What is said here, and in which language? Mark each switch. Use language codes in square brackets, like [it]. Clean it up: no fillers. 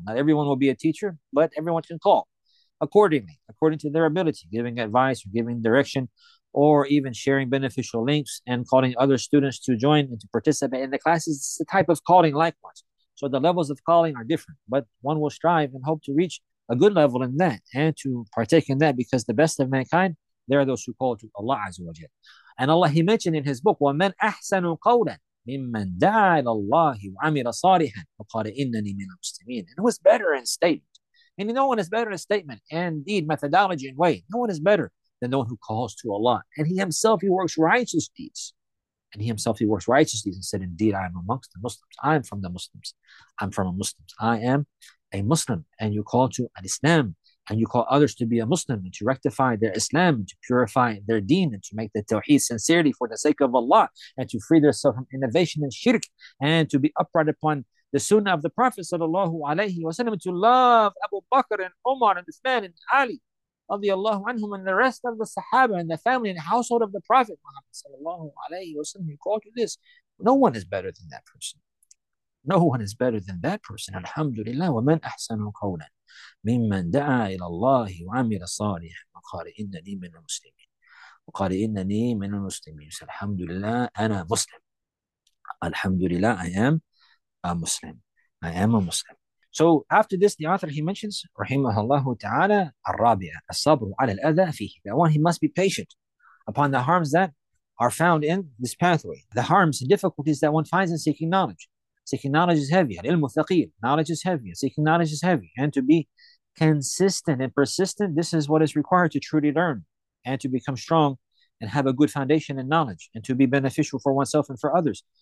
[en] Not everyone will be a teacher, but everyone can call accordingly, according to their ability, giving advice or giving direction, or even sharing beneficial links and calling other students to join and to participate in the classes. It's the type of calling likewise. So the levels of calling are different, but one will strive and hope to reach a good level in that and to partake in that, because the best of mankind, there are those who call to Allah Azza wa Jalla. And Allah, He mentioned in His book, [ar] وَمَنْ أَحْسَنُ قَوْلًا مِمَّنْ دَعَى إِلَى اللَّهِ وَعَمِلَ صَالِحًا وَقَالَ إِنَّنِي مِنَ الْمُسْلِمِينَ. [en] And who's better in statement? And no one is better in statement and deed, methodology and way. No one is better than the one who calls to Allah. And he works righteous deeds. And he works righteous deeds and said, indeed, I am amongst the Muslims. I am from the Muslims. I'm from a Muslim. I am a Muslim. And you call to an Islam. And you call others to be a Muslim and to rectify their Islam, to purify their deen, and to make the tawheed sincerity for the sake of Allah, and to free themselves from innovation and shirk, and to be upright upon the sunnah of the Prophet sallallahu alayhi wa sallam, to love Abu Bakr and Umar and Uthman and Ali radiallahu anhum and the rest of the Sahaba and the family and household of the Prophet Muhammad sallallahu alayhi wa sallam. You call to this. No one is better than that person. No one is better than that person. [ar] Alhamdulillah, wa man ahsanu qawlan. ممن دعا إلى الله وعمل صالحا وقال إنني من المسلمين وقال إنني من المسلمين الحمد لله أنا مسلم الحمد لله [en] I am a Muslim [ar] I am a Muslim. [en] So after this, the author, he mentions [ar] رحمه الله تعالى الرابع الصبر على الأذى فيه. [en] That one, he must be patient upon the harms that are found in this pathway, the harms and difficulties that one finds in seeking knowledge. Seeking knowledge is heavy. [ar] Al-ilmu thaqeel. [en] Knowledge is heavy. Seeking knowledge is heavy. And to be consistent and persistent, this is what is required to truly learn and to become strong and have a good foundation in knowledge and to be beneficial for oneself and for others.